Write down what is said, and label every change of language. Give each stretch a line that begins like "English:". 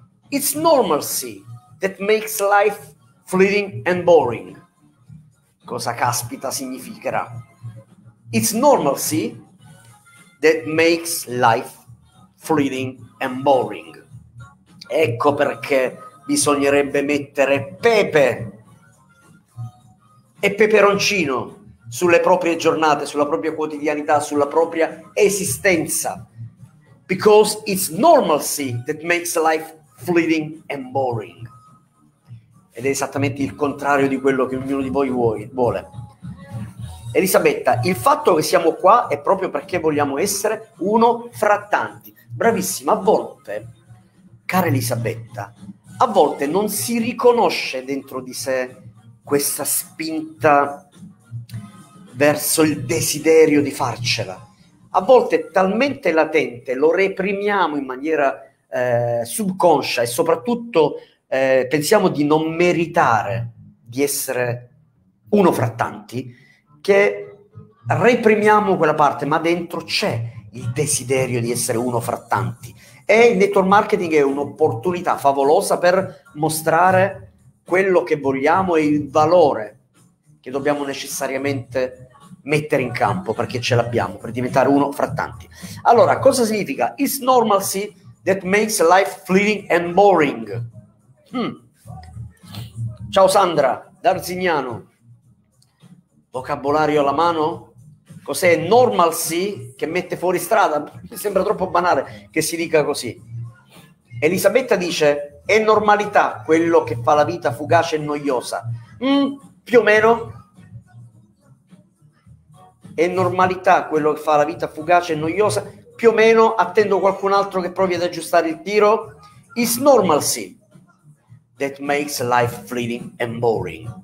English: It's normalcy that makes life fleeting and boring.
Italian: Cosa caspita significherà?
English: It's normalcy that makes life fleeting and boring.
Italian: Ecco perché bisognerebbe mettere pepe e peperoncino sulle proprie giornate, sulla propria quotidianità, sulla propria esistenza.
English: Because it's normalcy that makes life fleeting and boring.
Italian: Ed è esattamente il contrario di quello che ognuno di voi vuole. Elisabetta, il fatto che siamo qua è proprio perché vogliamo essere uno fra tanti. Bravissima. A volte, cara Elisabetta, a volte non si riconosce dentro di sé questa spinta verso il desiderio di farcela. A volte è talmente latente, lo reprimiamo in maniera subconscia, e soprattutto pensiamo di non meritare di essere uno fra tanti, che reprimiamo quella parte, ma dentro c'è il desiderio di essere uno fra tanti. E il network marketing è un'opportunità favolosa per mostrare quello che vogliamo e il valore che dobbiamo necessariamente mettere in campo, perché ce l'abbiamo, per diventare uno fra tanti. Allora, cosa significa?
English: It's normalcy that makes life fleeting and boring.
Italian: Ciao Sandra, d'Arzignano. Vocabolario alla mano? Cos'è normalcy che mette fuori strada? Mi sembra troppo banale che si dica così. Elisabetta dice: è normalità quello che fa la vita fugace e noiosa. Più o meno. È normalità quello che fa la vita fugace e noiosa. Più o meno. Attendo qualcun altro che provi ad aggiustare il tiro.
English: It's normalcy that makes life fleeting and boring.